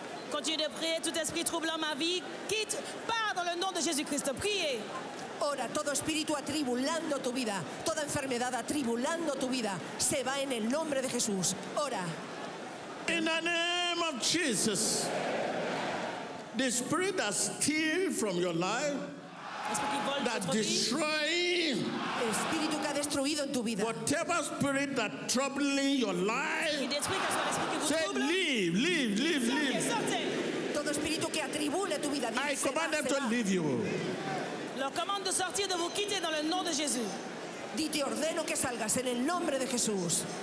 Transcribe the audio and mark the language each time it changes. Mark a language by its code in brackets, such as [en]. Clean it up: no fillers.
[fr] Continue de prier, tout esprit troublant ma vie, quitte, pars dans le nom de Jésus-Christ, priez. [es] Ora, todo espíritu atribulando tu vida, toda enfermedad atribulando tu vida, se va en el nombre de Jesús, ora. [en] In the name of Jesus, the spirit that steals from your life, that destroys, [es] espíritu que ha destruido en tu vida, [en] whatever spirit that troubling your life, say, leave, leave, leave, leave. I command them to leave you. [fr] Leur commande de sortir de vous quitter dans le nom de Jésus. [es] Dis, te ordeno que salgas en el nombre de Jesús.